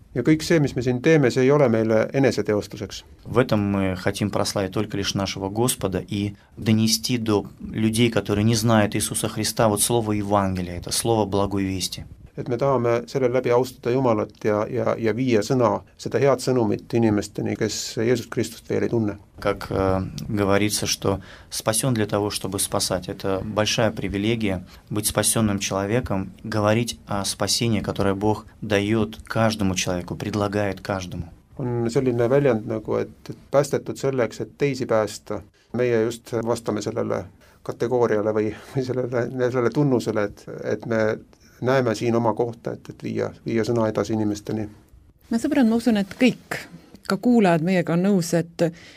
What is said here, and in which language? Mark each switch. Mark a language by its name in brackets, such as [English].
[Estonian] Ja kõik see, mis me siin teeme, see ei ole meile eneseteostuseks. [Russian] В этом мы хотим прославить только лишь нашего Господа и донести до людей, которые не знают Иисуса Христа, вот слово Евангелия, это слово благой вести. [Estonian] Et me tahame selle läbi austada Jumalat ja viia sõna, seda head sõnumit inimesteni, kes Jeesus Kristust veel ei tunne. [Russian] Как говорится, что спасен для того, чтобы спасать. Это большая привилегия быть спасенным человеком, говорить о спасении, которое Бог дает каждому человеку, предлагает каждому. [Estonian] On selline väljand, nagu, et päästetud selleks, et teisi päästa. Meie just vastame sellele kategooriale või sellele tunnusele, et me näeme siin oma kohta, et viia sõna edasi inimesteni. Ma sõbran, ma usun, et kõik, ka kuulajad meiega on nõus, et